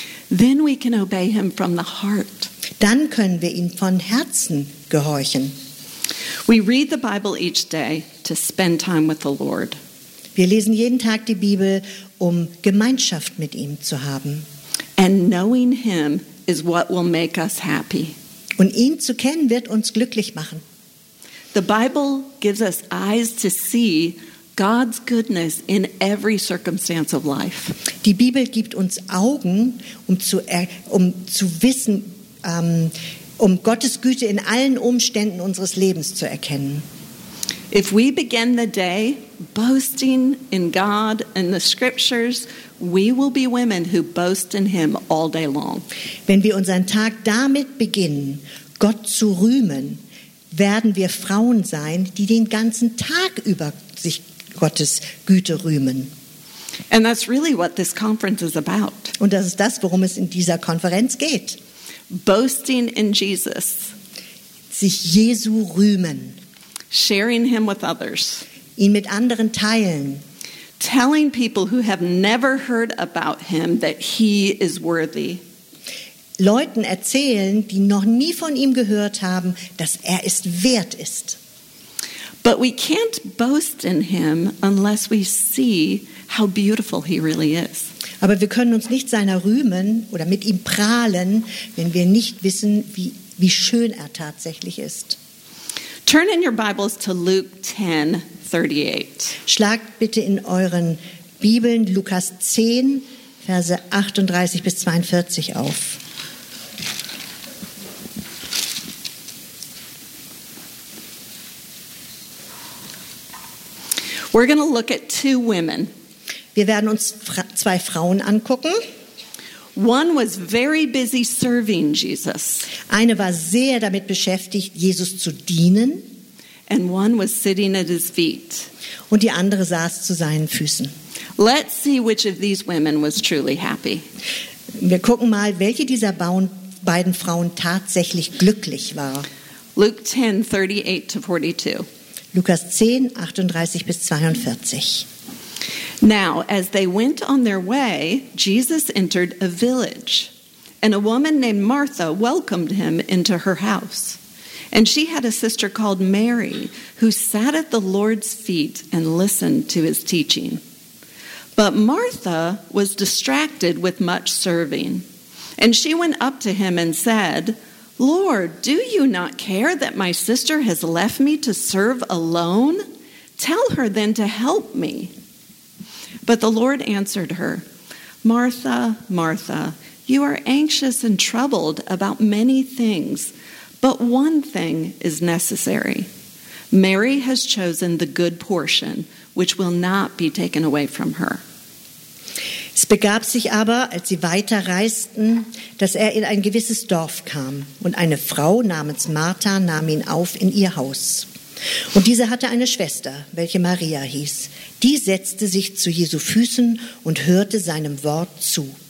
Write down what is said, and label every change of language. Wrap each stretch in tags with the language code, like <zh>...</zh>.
<en>Then we can obey him from the heart.</en> <de>Dann können wir ihm von Herzen gehorchen.</de> <en>We read the Bible each day to spend time with the Lord.</en> <de>Wir lesen jeden Tag die Bibel, um Gemeinschaft mit ihm zu haben.</de> <en>And knowing him is what will make us happy.</en> <de>Und ihn zu kennen wird uns glücklich machen.</de> <en>The Bible gives us eyes to see God's goodness in every circumstance of life.</en> <de>Die Bibel gibt uns Augen, um zu wissen, um Gottes Güte in allen Umständen unseres Lebens zu erkennen.</de> <en>If we begin the day boasting in God and the scriptures, we will be women who boast in him all day long.</en> <de>Wenn wir unseren Tag damit beginnen, Gott zu rühmen, werden wir Frauen sein, die den ganzen Tag über sich Gottes Güte rühmen.</de> <en>And that's really what this conference is about.</en> <de>Und das ist das, worum es in dieser Konferenz geht.</de> <en>Boasting in Jesus.</en> <de>Sich Jesu rühmen.</de> <en>Sharing him with others.</en> <de>Ihn mit anderen teilen.</de> <en>Telling people who have never heard about him that he is worthy.</en> <de>Leuten erzählen, die noch nie von ihm gehört haben, dass er es wert ist.</de> <en>But we can't boast in him unless we see how beautiful he really is.</en> <de>Aber wir können uns nicht seiner rühmen oder mit ihm prahlen, wenn wir nicht wissen, wie schön er tatsächlich ist.</de> <en>Turn in your Bibles to Luke 10:38.</en> <de>Schlagt bitte in euren Bibeln Lukas 10, Verse 38 bis 42 auf.</de> <en>We're going to look at two women.</en> <de>Wir werden uns zwei Frauen angucken.</de> <en>One was very busy serving Jesus.</en> <de>Eine war sehr damit beschäftigt, Jesus zu dienen.</de> <en>And one was sitting at his feet.</en> <de>Und die andere saß zu seinen Füßen.</de> <en>Let's see which of these women was truly happy.</en> <de>Wir gucken mal, welche dieser beiden Frauen tatsächlich glücklich war.</de> <en>Luke 10:38-42.</en> <de>Lukas 10, 38 bis 42.</de> <en>Now, as they went on their way, Jesus entered a village, and a woman named Martha welcomed him into her house. And she had a sister called Mary, who sat at the Lord's feet and listened to his teaching. But Martha was distracted with much serving, and she went up to him and said, Lord, do you not care that my sister has left me to serve alone? Tell her then to help me. But the Lord answered her, Martha, Martha, you are anxious and troubled about many things, but one thing is necessary. Mary has chosen the good portion, which will not be taken away from her.</en> <de>Es begab sich aber, als sie weiterreisten, dass er in ein gewisses Dorf kam und eine Frau namens Martha nahm ihn auf in ihr Haus. Und diese hatte eine Schwester, welche Maria hieß. Die setzte sich zu Jesu Füßen und hörte seinem Wort zu.</de>